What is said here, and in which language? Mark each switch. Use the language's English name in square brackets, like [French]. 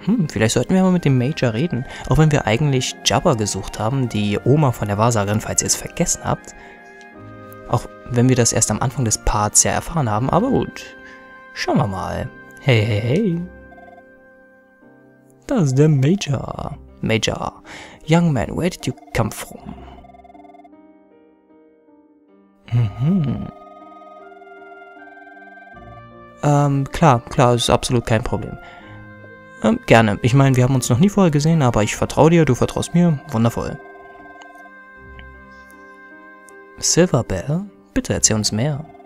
[German] Vielleicht sollten wir mal mit dem Major reden. Auch wenn wir eigentlich Jabba gesucht haben, die Oma von der Wahrsagerin, falls ihr es vergessen habt. Auch wenn wir das erst am Anfang des Parts ja erfahren haben, aber gut. Schauen wir mal. Hey. Das ist der Major. [English] Major, young man, where did you come from? [German] Klar, ist absolut kein Problem. Gerne. Ich meine, wir haben uns noch nie vorher gesehen, aber ich vertraue dir, du vertraust mir. Wundervoll. Silver Bell? Bitte erzähl uns mehr.